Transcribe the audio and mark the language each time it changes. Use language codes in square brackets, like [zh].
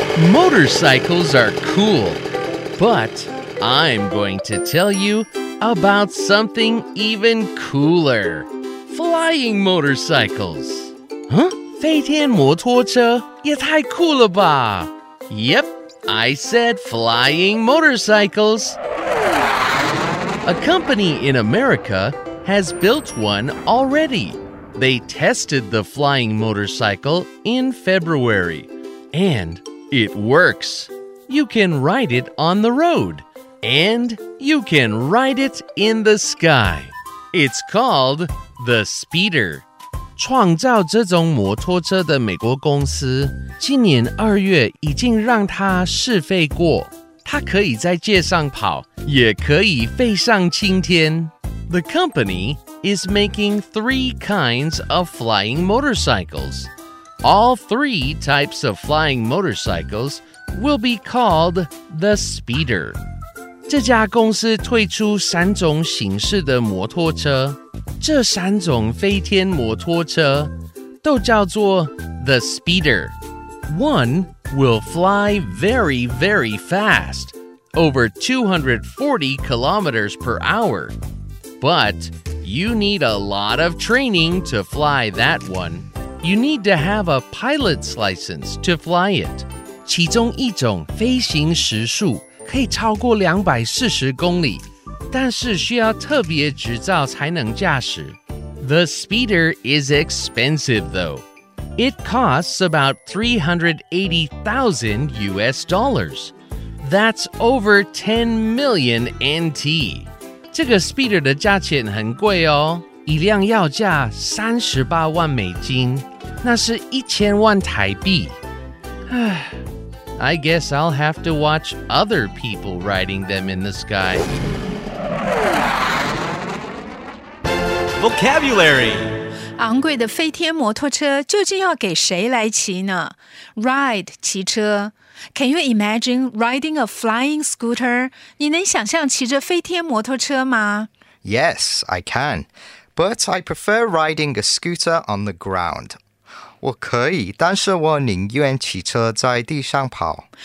[en] Motorcycles are cool, but I'm going to tell you about something even cooler. Flying motorcycles. Huh? [zh] 飞天摩托车也太酷了吧。 [en] Yep, I said flying motorcycles. A company in America has built one already. They tested the flying motorcycle in February. And it works. You can ride it on the road. And you can ride it in the sky. It's called the Speeder. [zh] 创造这种摩托车的美国公司今年二月已经让它试飞过。它可以在街上跑，也可以飞上青天。 [en] The company is making three kinds of flying motorcycles. All three types of flying motorcycles will be called the Speeder. [zh] 这家公司推出三种形式的摩托车，这三种飞天摩托车都叫做 [en] The Speeder. One will fly very, very fast, over 240 kilometers per hour. But you need a lot of training to fly that one. You need to have a pilot's license to fly it. [zh] 其中一种飞行时速可以超过240公里，但是需要特别执照才能驾驶。 [en] The Speeder is expensive, though. It costs about $380,000. That's over 10 million NT. [zh] 这个 Speeder 的价钱很贵哦，一辆要价38万美金，那是1000万台币。 [en] I guess I'll have to watch other people riding them in the sky. Vocabulary. [zh] 昂贵的飞天摩托车究竟要给谁来骑呢？ [en] Ride, 骑车。Can you imagine riding a flying scooter? [zh] 你能想象骑着飞天摩托车吗？ [en] Yes, I can. But I prefer riding a scooter on the ground. [zh] 我可以，但是我宁愿骑车在地上跑。